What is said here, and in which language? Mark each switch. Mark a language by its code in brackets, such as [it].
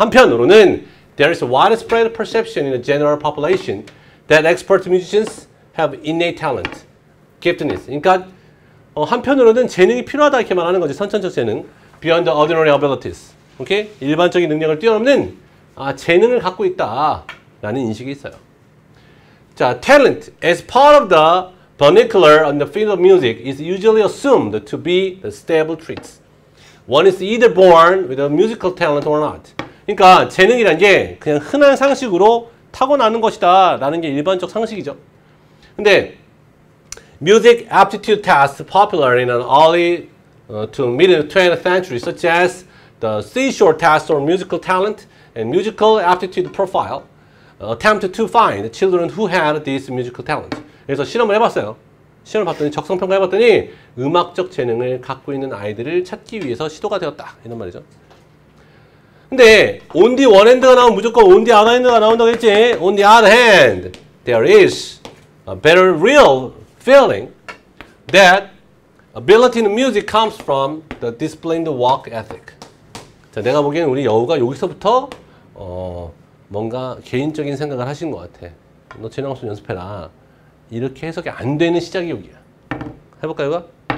[ko] 한편으로는 [en] there is a widespread perception in the general population that expert musicians have innate talent, giftedness. [ko] 그러니까 한편으로는 재능이 필요하다 이렇게 말하는 거지. 선천적 재능, [en] beyond the ordinary abilities. 오케이? [ko] 일반적인 능력을 뛰어넘는 재능을 갖고 있다라는 인식이 있어요. 자, [en] talent as part of the vernacular on the field of music is usually assumed to be the stable traits. One is either born with a musical talent or not. [ko] 그러니까 재능이란 게 그냥 흔한 상식으로 타고나는 것이다 라는 게 일반적 상식이죠. 근데 [en] music aptitude tests popular in an early to mid 20th century such as the seashore test or musical talent and musical aptitude profile attempt to find children who had this musical talent. [ko] 그래서 실험을 해봤어요. 실험을 봤더니 적성평가 해봤더니 음악적 재능을 갖고 있는 아이들을 찾기 위해서 시도가 되었다. 이런 말이죠. 근데 [en] on the one hand [ko] 가 나오면 무조건 [en] on the other hand [ko] 가 나온다고 했지. [en] On the other hand, there is a better real feeling that ability in music comes from the disciplined work ethic. [ko] 자, 내가 보기엔 우리 여우가 여기서부터 뭔가 개인적인 생각을 하신 것 같아. 너 재능 없으면 연습해라. 이렇게 해석이 안 되는 시작이 여기야. 해볼까요? 이거?